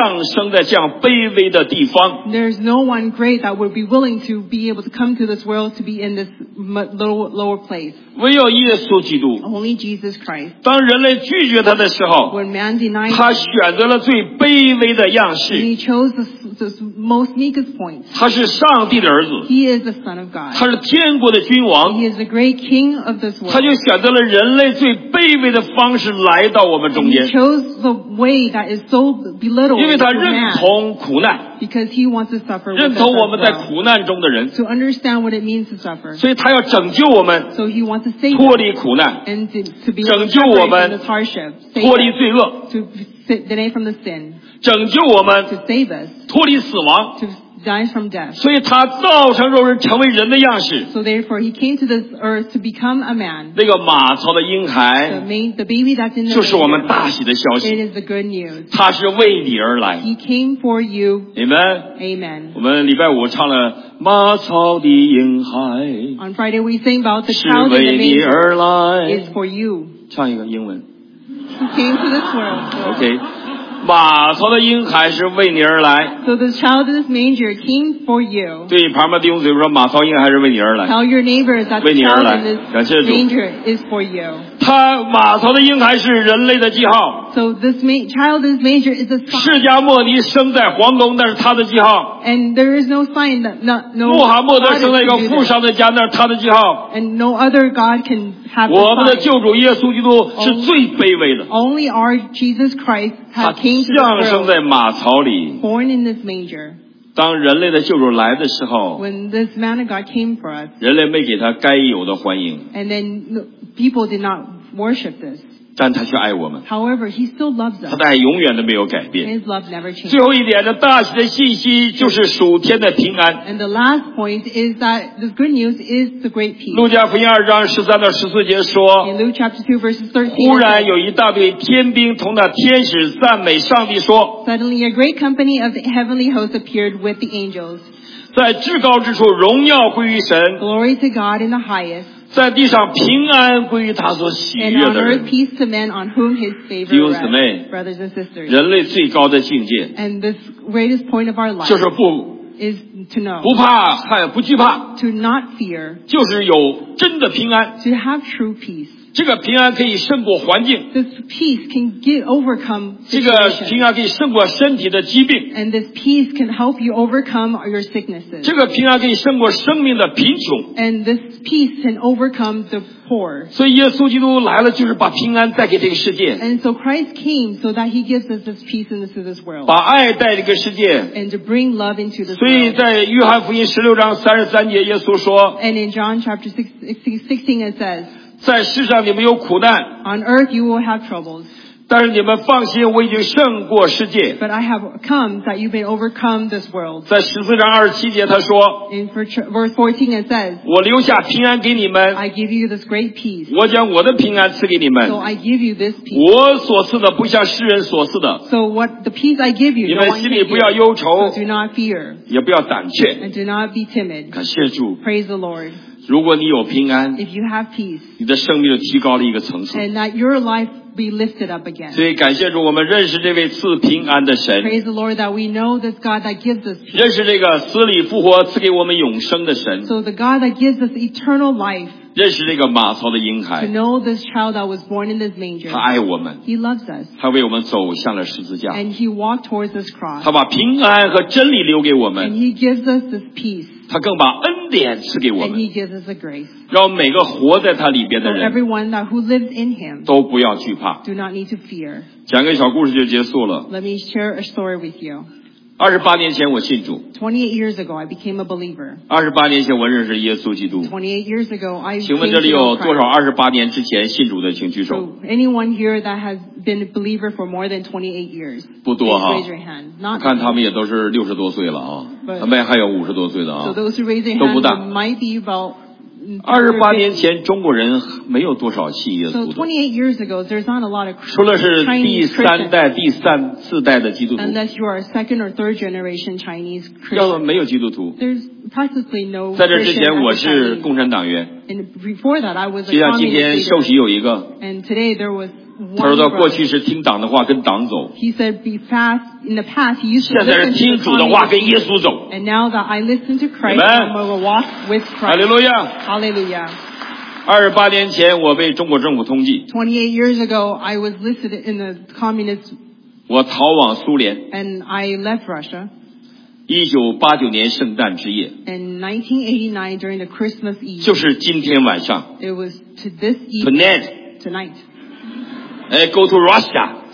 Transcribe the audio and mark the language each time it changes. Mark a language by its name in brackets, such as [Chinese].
[Chinese] 没有一个伟大的人物会降生在这样卑微的地方。 [English] There's no one great that would be willing to be able to come to this world to be in this little lower place. [Chinese] 唯有耶稣基督, [English] only Jesus Christ. [Chinese] 当人类拒绝他的时候, [English] when man denied, [Chinese] 他选择了最卑微的样式, [English] he chose the most meekest point. [Chinese] 他是上帝的儿子, [English] he is the Son of God. [Chinese] 他是天国的君王, [English] he is the great king of this world. [Chinese] 他就选择了人类最卑微的方式来到我们中间, [English] he chose the way that is so belittled, [Chinese] 因为他认同苦难, [English] because he wants to suffer, [Chinese] 认同我们在苦难中的人, [English] to understand what it means to suffer. [Chinese] 所以他要拯救我们, [English] so he wants to save, [Chinese] 脱离苦难, [English] and to be [Chinese] 拯救我们, [English] from this hardship, [Chinese] 脱离罪恶, [English] to deny from the sin, [Chinese] 拯救我们, [English] to save us, [Chinese] 脱离死亡, [English] to die from death. [Chinese] 所以他造成肉身, 成为人的样式, [English] so therefore he came to this earth to become a man. [Chinese] 那个马槽的婴孩, [English] the baby that's in the, [Chinese] 就是我们大喜的消息, [English] it is the good news. [Chinese] 他是为你而来, [English] he came for you. Amen. Amen. [Chinese] 我们礼拜五唱了, 马槽的婴孩, [English] on Friday we sing about the child in the manger, is for you. [Chinese] 唱一个英文, [English] he came to this world. [Chinese] OK, 马槽的婴孩是为你而来, [English] so the child in this manger came for you. [Chinese] 对旁边弟兄姊妹说, 马槽婴孩是为你而来, [English] tell your neighbor that the child in this manger is for you. [Chinese] 他马槽的婴孩是人类的记号, [English] so this child in this manger is a sign. [Chinese] 释迦牟尼生在皇宫, 那是他的记号, [English] and there is no sign that not, no, [Chinese] 穆罕默德生在一个富商的家, 那是他的记号, [English] and no other God can have a sign. [Chinese] 我们的救主耶稣基督是最卑微的, [English] only our Jesus Christ [Chinese] 降生在马槽里, [English] born in this manger. [Chinese] 当人类的救主来的时候, [English] when this man of God came for us, [Chinese] 人类没给他该有的欢迎, [English] and then people did not worship this. [Chinese] 但他却爱我们, [English] however, he still loves us. [Chinese] 他的爱永远都没有改变, [English] his love never changed. [Chinese] 最后一点的大喜的信息就是属天的平安, [English] and the last point is that the good news is the great peace. [Chinese] 路加福音2章13到14节说, [English] in Luke chapter 2 verses 13, [Chinese] 忽然有一大队天兵同那天使赞美上帝说, [English] suddenly a great company of the heavenly hosts appeared with the angels. [Chinese] 在至高之处荣耀归于神, [English] glory to God in the highest. [Chinese] 在地上平安归于他所喜悦的人, [English] and on earth peace to men on whom his favor rests. Brothers and sisters, [Chinese] 人类最高的境界, [English] and this greatest point of our life, [Chinese] 就是不, [English] is to know, [Chinese] 不怕, 不惧怕, [English] to not fear, [Chinese] 就是有真的平安, [English] to have true peace. [Chinese] 这个平安可以胜过环境。 [English] This peace can get overcome. [Chinese] 这个平安可以胜过身体的疾病。 [English] And this peace can help you overcome your sicknesses. [Chinese] 这个平安可以胜过生命的贫穷。 [English] And this peace can overcome the poor. [Chinese] 所以耶稣基督来了，就是把平安带给这个世界。 [English] And so Christ came so that he gives us this peace into this world. [Chinese] 把爱带这个世界。 [English] And to bring love into this. [Chinese] 所以在约翰福音十六章三十三节，耶稣说。 [English] And in John chapter 16 it says. [Chinese] 在世上你们有苦难 [English] On earth you will have troubles. [Chinese] 但是你们放心我已经胜过世界 [English] But I have come that you may overcome this world. [Chinese] 在十四章二十七节他说 [English] In verse 14 it says [Chinese] 我留下平安给你们 [English] I give you this great peace. [Chinese] 我将我的平安赐给你们 [English] So I give you this peace. [Chinese] 我所赐的不像世人所赐的 [English] So what the peace I give you [Chinese] 你们心里不要忧愁 [English] Do not fear. [Chinese] 也不要胆怯 [English] And do not be timid. [Chinese] 感谢主 [English] Praise the Lord. [Chinese] 如果你有平安 [English] If you have peace, [Chinese] 你的生命就提高了一个层次 [English] and that your life be lifted up again. [Chinese] 所以感谢主我们认识这位赐平安的神 [English] Praise the Lord that we know this God that gives us peace. [Chinese] 认识这个死里复活赐给我们永生的神 [English] So the God that gives us eternal life [Chinese] 认识这个马槽的婴孩 [English] To know this child that was born in this manger [Chinese] 他爱我们 [English] He loves us [Chinese] 他为我们走向了十字架 [English] And he walked towards this cross [Chinese] 他把平安和真理留给我们 [English] And he gives us this peace [Chinese] 他更把恩典赐给我们 [English] And he gives us a grace. [Chinese] 让每个活在他里边的人 [English] So everyone that who lives in him, [Chinese] 都不要惧怕 [English] Do not need to fear. [Chinese] 讲个小故事就结束了 [English] Let me share a story with you. [Chinese] 28年前我信主 [English] 28 years ago I became a believer. [Chinese] 28年前我认识耶稣基督 [English] 28 years ago I became a believer. [Chinese] 请问这里有多少28年之前信主的请举手 [English] so, Anyone here that has been a believer for more than 28 years [Chinese] 不多哈 [English] raise your hand. Not [Chinese] 看他们也都是60多岁了啊他们还有50多岁的啊 [English] so those who raise their hands might be about [Chinese] 28年前中国人没有多少信耶稣的 [English] so 28 years ago there's not a lot of [Chinese] 除了是第三代第三四代的基督徒 [English] unless you are a second or third generation Chinese Christian [Chinese] 要么没有基督徒 [English] there's practically no [Chinese] 在这之前我是共产党员 [English] and before that I was a [Chinese] 就像今天受洗有一个 [English] and today there was [Chinese] 他说过去是听党的话跟党走 [English] he said be fast in the past he used to listen to [Chinese] 现在是听主的话跟耶稣走 [English] and now that I listen to Christ I'm a walk with Christ Hallelujah Hallelujah [Chinese] 28年前我被中国政府通缉 [English] 28 years ago I was listed in the communist [Chinese] 我逃往苏联 [English] and I left Russia [Chinese] 1989年圣诞之夜 [English] and 1989 during the Christmas Eve [Chinese] 就是今天晚上 [English] it was to this evening tonight go to Russia.